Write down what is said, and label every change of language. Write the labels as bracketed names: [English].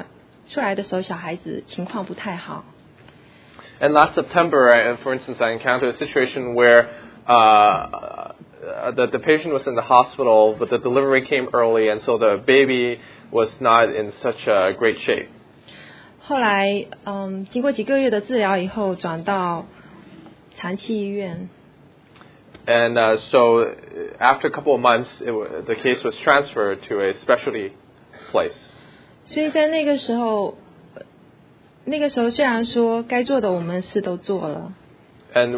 [Chinese] 所以我记得去年9月份的时候，但是我在科里面呢，我碰到一位病人，那后来因为那个病人他分娩得很快，那出来的时候小孩子情况不太好。 [English] And last September, for instance, I encountered a situation where the patient was in the hospital, but the delivery came early, and so the baby was not in such a great shape. [Chinese] 后来，经过几个月的治疗以后，转到长期医院。 [English] And so after a couple of months, the case was transferred to a specialty place. [Chinese] 所以在那个时候， 那个时候虽然说该做的我们事都做了，and